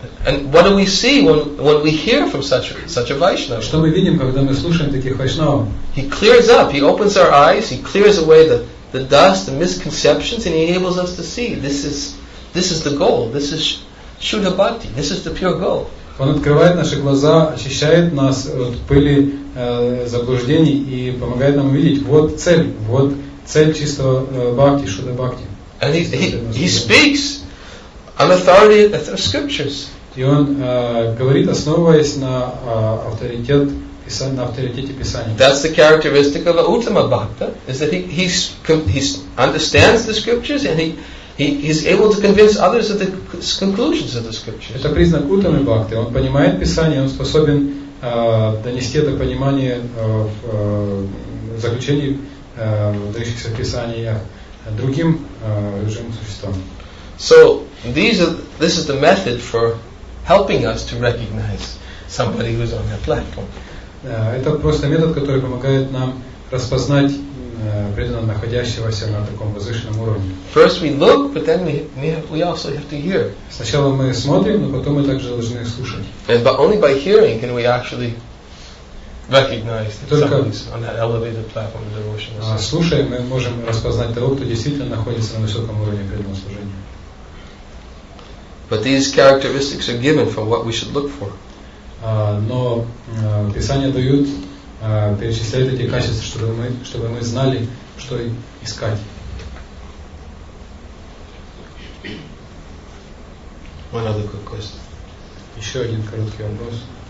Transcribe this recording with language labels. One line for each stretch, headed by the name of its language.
English: And what do we see when we hear from such a Vaishnava?
Russian: Что мы видим, когда мы слушаем таких Вайшнава?
English: He clears up, he opens our eyes, he clears away the dust, the misconceptions, and he enables us to see. This is the goal. This is Shuddha Bhakti. This is the pure goal.
Russian: Он открывает наши глаза, очищает нас от пыли заблуждений и помогает нам увидеть. Вот цель чистого Бхакти, Шуддха Бхакти.
English: And he speaks on authority of scriptures.
Russian: И он говорит, основываясь на авторитете Писания.
English: That's the characteristic of a Uttama Bhakta, is that he understands the scriptures and he's able to convince others of the conclusions of the scriptures.
Russian: Это признак Уттамы Бхакты. Он понимает Писание, он способен донести это понимание в заключении дающихся Писания другим живым существам.
English: So this is the method for helping us to recognize somebody who's on that platform.
Russian: Это просто метод, который помогает нам распознать преданного, находящегося на таком возвышенном уровне.
English: First we look, but then we also have to hear.
Russian: Сначала мы смотрим, но потом мы также должны слушать.
English: And but only by hearing can we actually recognize somebody's on that elevated platform of devotional service.
Russian: Слушая, мы можем распознать того, кто действительно находится на высоком уровне преданного служения.
English: But these characteristics are given from what we should look for.
Russian: Но Писание дают перечисляют эти качества, чтобы мы знали, что искать.
English: One other quick question.
Russian: Еще один короткий вопрос.